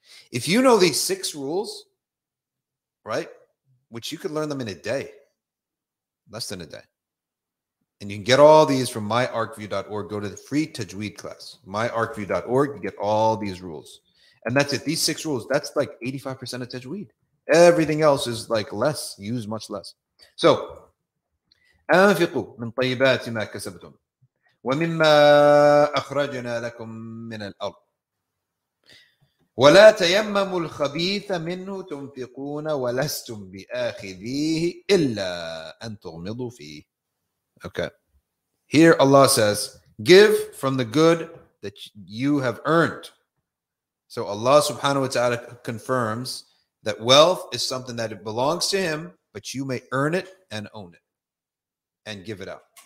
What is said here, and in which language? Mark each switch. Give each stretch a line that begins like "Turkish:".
English: If you know these six rules, right, which you could learn them in a day, less than a day, and you can get all these from myarcview.org, go to the free tajweed class, myarcview.org, you get all these rules. And that's it. These six rules, that's like 85% of tajweed. Everything else is like less, use much less. So
Arabic: أنفقوا من طيبات ما كسبتم ومما أخرجنا لكم من الأرض ولا تيمموا الخبيث منه تنفقون ولستم بآخذيه إلا أن تغمضوا فيه.
English: Okay. Here Allah says, give from the good that you have earned. So Allah subhanahu wa ta'ala confirms that wealth is something that it belongs to him, but you may earn it and own it and give it out.